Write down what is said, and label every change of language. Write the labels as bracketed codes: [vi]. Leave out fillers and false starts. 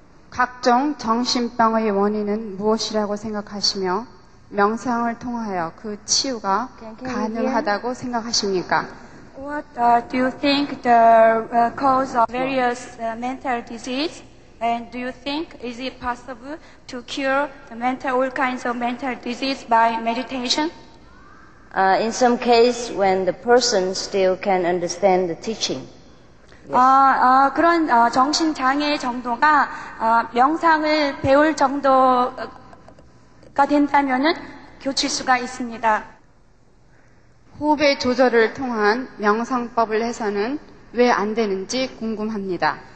[ko] 각종 정신병의 원인은 무엇이라고 생각하시며 명상을 통하여 그 치유가 가능하다고 생각하십니까? [en] What do you think the cause of various mental disease? And do you think is it possible to cure the mental, all kinds of mental disease by meditation? In some case, when the person still can understand the teaching. Yes. [ko] 그런 정신장애 정도가 명상을 배울 정도가 된다면은 고칠 수가 있습니다. 호흡의 조절을 통한 명상법을 해서는 왜 안 되는지 궁금합니다.